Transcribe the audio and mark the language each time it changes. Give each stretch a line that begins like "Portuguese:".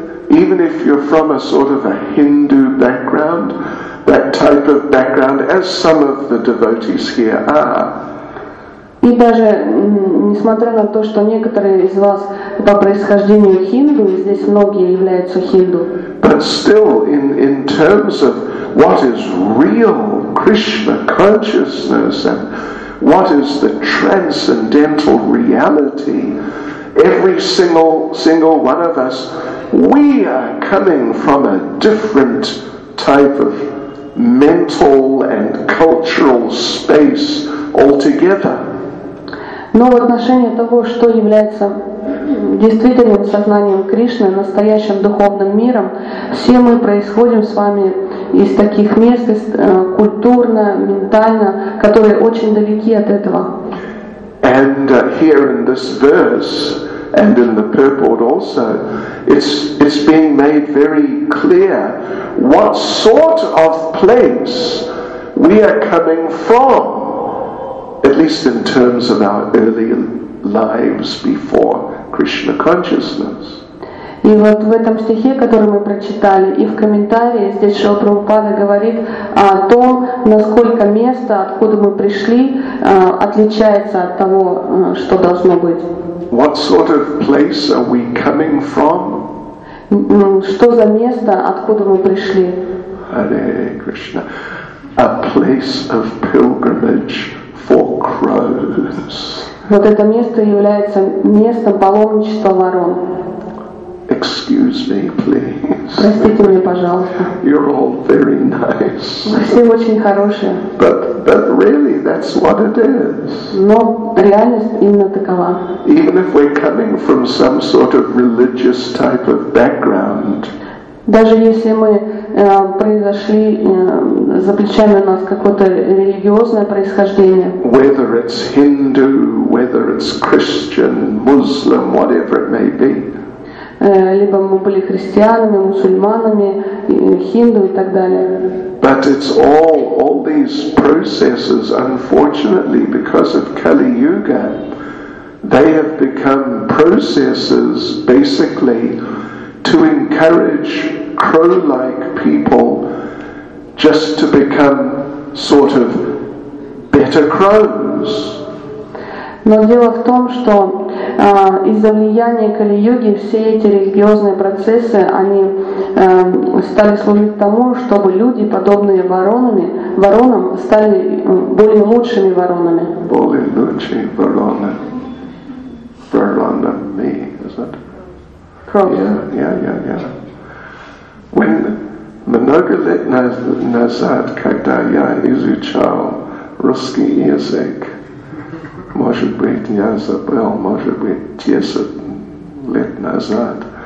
English: Even if you're from a sort of a Hindu background, that type of background, as some of the devotees here are.
Russian: И даже несмотря на то, что некоторые из вас по происхождению хинду, и здесь многие являются хинду.
English: But still, in terms of what is real Krishna consciousness and what is the transcendental reality, every single one of us, we are coming from a different type of mental and cultural space altogether.
Russian: Но в отношении того, что является действительным сознанием Кришны, настоящим духовным миром, все мы происходим с вами из таких мест, из, культурно, ментально, которые очень далеки от этого.
English: And here in this verse, and in the purport also, it's being made very clear what sort of place we are coming from. At least in terms of our early lives before Krishna consciousness.
Russian: И вот в этом стихе, который мы прочитали, и в комментарии здесь Шрила Прабхупада говорит о том, насколько место, откуда мы пришли, отличается от того, что должно быть.
English: What sort of place are we coming from?
Russian: Что за место, откуда мы пришли?
English: Hare Krishna. A place of pilgrimage. For crows.
Russian: Вот это место является местом паломничества ворон.
English: Excuse me, please.
Russian: Простите меня, пожалуйста.
English: You're all very nice.
Russian: Вы все очень хорошие.
English: But really, that's what it is.
Russian: Но реальность именно такова.
English: Even if we're coming from some sort of religious type of background.
Russian: Даже если мы произошли, за плечами у нас какое-то религиозное происхождение.
English: Whether it's Hindu, whether it's Christian, Muslim, whatever it may be.
Russian: Либо мы были христианами, мусульманами, хинду и так далее.
English: But it's all these processes, unfortunately, because of Kali Yuga, they have become processes basically to encourage crow-like people just to become sort of better crows.
Russian: Но дело в том, что из-за влияния Кали-юги все эти религиозные процессы, они стали служить тому, чтобы люди, подобные воронам, стали более лучшими воронами. Более лучшие вороны. Воронами,
English: is it? Crows. Yeah. When Manogalit Nazad,
Russian: когда я изучал русский язык, может быть, я забыл, может быть, 10 лет назад,